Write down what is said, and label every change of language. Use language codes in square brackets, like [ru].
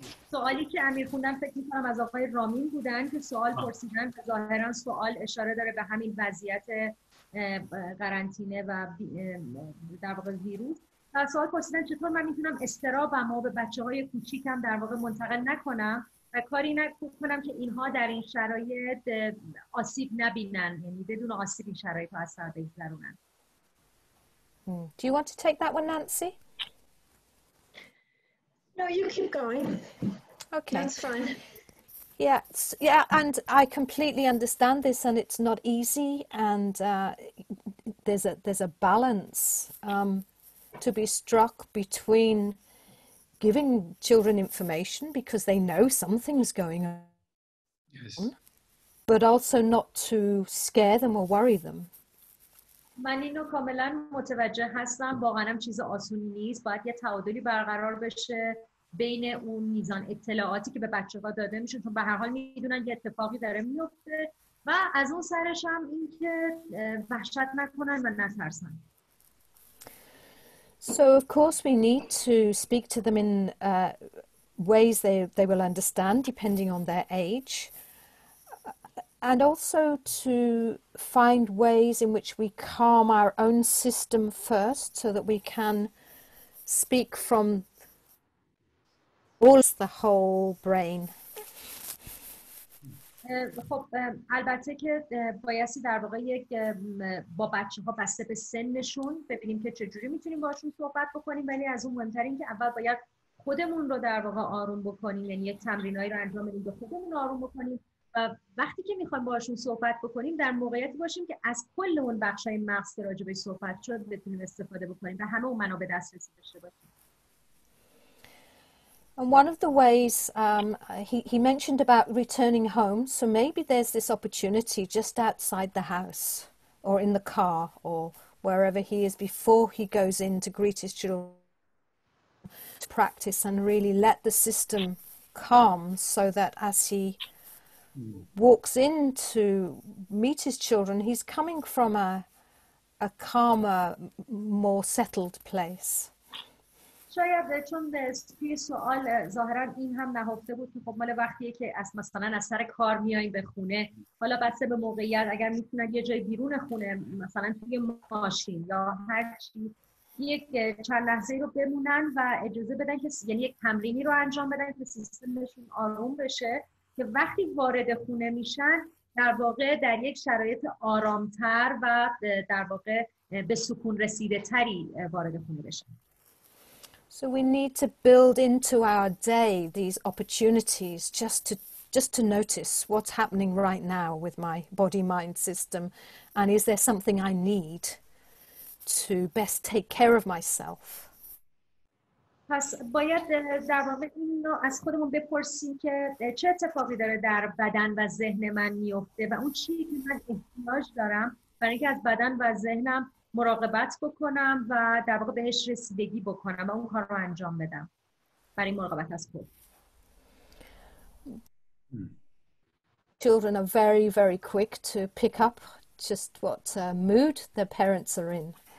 [fa] سوالی که امیر خوندن فکر میکنم از آقای رامین بودن که سوال پرسیدن که ظاهراً سوال اشاره داره به همین وضعیت قرنطینه و در واقع ویروس و سوال پرسیدن چطور من میتونم استرابم رو به بچه های کوچیکم در واقع منتقل نکنم و کاری نکنم که اینها در این شرایط آسیب نبینن یعنی بدون آسیب این شرایط ها از سر بگذرونن [en] Do you want to take that one, Nancy? No, you keep going. Okay. That's fine. Yeah, yeah, and I completely understand this, and it's not easy, and there's a balance to be struck between giving children information because they know something's going on, yes. But also not to scare them or worry them. [fa] من اینو کاملاً متوجه هستم. واقعاً چیز آسونی نیست. باید یه تعادلی برقرار بشه. بین اون میزان اطلاعاتی که به بچه‌ها داده میشه چون به هر حال میدونن یه اتفاقی داره میفته و از اون سرش هم این که وحشت نکنن و نترسن. [en] So of course we need to speak to them in ways they will understand depending on their age and also to find ways in which we calm our own system first so that we can speak from all the whole brain. [fa] خب البته که بایستی در واقع یک با بچه‌ها بسته به سنشون ببینیم که چجوری میتونیم باشون صحبت بکنیم ولی از اون مهمتر این که اول باید خودمون رو در واقع آروم بکنیم یعنی یک تمرینایی رو انجام بدیم به خودمون آروم بکنیم و وقتی که میخوایم باشون صحبت بکنیم در موقعیتی باشیم که از کل اون بخشای مغز که راجبه صحبت شد بتونیم استفاده بکنیم و همه اون منابع دسترسی داشته باشیم. [en] And one of the ways he mentioned about returning home, so maybe there's this opportunity just outside the house or in the car or wherever he is before he goes in to greet his children to practice and really let the system calm so that as he walks in to meet his children, he's coming from a calmer, more settled place. [fa] شاید چون توی سوال ظاهرا این هم نهفته بود که خب مال وقتیه که از مثلا از سر کار میایین به خونه حالا بسته به موقعیت اگر میتونن یه جای بیرون خونه مثلا توی ماشین یا هر چی یک چند لحظه رو بمونن و اجازه بدن که یعنی یک تمرینی رو انجام بدن که سیستمشون آروم بشه که وقتی وارد خونه میشن در واقع در یک شرایط آرامتر و در واقع به سکون رسیده تری وارد خونه بشن [en] So we need to build into our day these opportunities just to notice what's happening right now with my body-mind system, and is there something I need to best take care of myself? [fa] پس باید در واقع این رو از خودمون بپرسیم که چه اتفاقی داره در بدن و ذهن من میفته و اون چیه که من احتیاج دارم برای اینکه از بدن و ذهنم مراقبت بکنم و در واقع بهش رسیدگی بکنم و اون کار رو انجام بدم برای مراقبت از خود. [en] Children are very, very quick to pick up just what mood their parents are in.